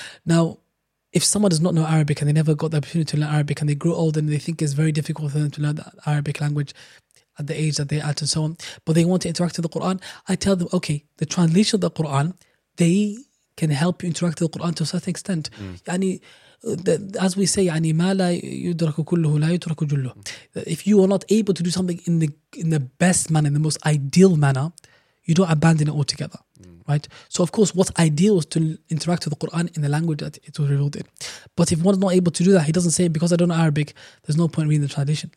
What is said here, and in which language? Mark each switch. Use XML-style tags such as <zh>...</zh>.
<en>Now, if someone does not know Arabic and they never got the opportunity to learn Arabic and they grow old and they think it's very difficult for them to learn the Arabic language at the age that they're at and so on, but they want to interact with the Quran, I tell them, okay, the translation of the Quran, they can help you interact with the Quran to a certain extent. As we say,</en> <ar>يعني ما لا يدرك كله لا يترك جله.</ar> <en>If you are not able to do something in the best manner, in the most ideal manner, you don't abandon it altogether. Right? So of course, what's ideal is to interact with the Quran in the language that it was revealed in. But if one is not able to do that, he doesn't say, because I don't know Arabic, there's no point reading the tradition.</en>